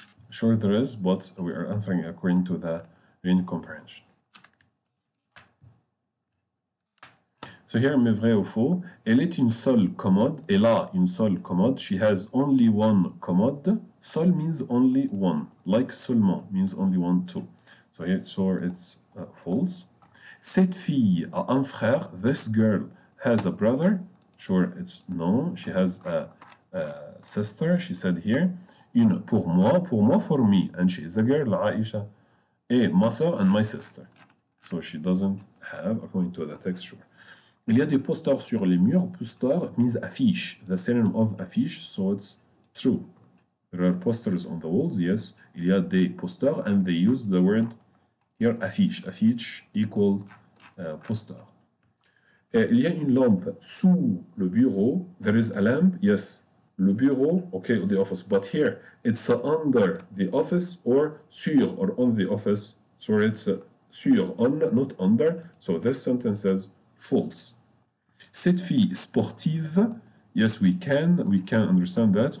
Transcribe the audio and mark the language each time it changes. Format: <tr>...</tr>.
<en>Sure, there is, but we are answering according to the written comprehension. So here,</en> <fr>mais vrai ou faux, elle est une seule commode. Elle a une seule commode.</fr> <en>She has only one commode. Seul means only one. Like seulement means only one, two. So here, sure, it's false.</en> <fr>Cette fille a un frère.</fr> <en>This girl has a brother. Sure, it's non. She has a sister, she said here.</en> <fr>Une pour moi,</fr> <en>for me, and she is a girl, Aisha,</en> <fr>et ma soeur</fr> <en>and my sister. So she doesn't have, according to the text, sure.</en> <fr>Il y a des posters sur les murs.</fr> <en>Poster means affiche, the synonym of affiche, so it's true. There are posters on the walls, yes.</en> <fr>Il y a des posters,</fr> <en>and they use the word here, affiche. Affiche equal poster.</en> <fr>Et il y a une lampe sous le bureau.</fr> <en>There is a lamp, yes.</en> <fr>Le bureau,</fr> <en>okay, the office, but here it's under the office or sur or on the office. So it's sur, on, not under. So this sentence is false.</en> <fr>Cette fille sportive,</fr> <en>yes, we can understand that.</en>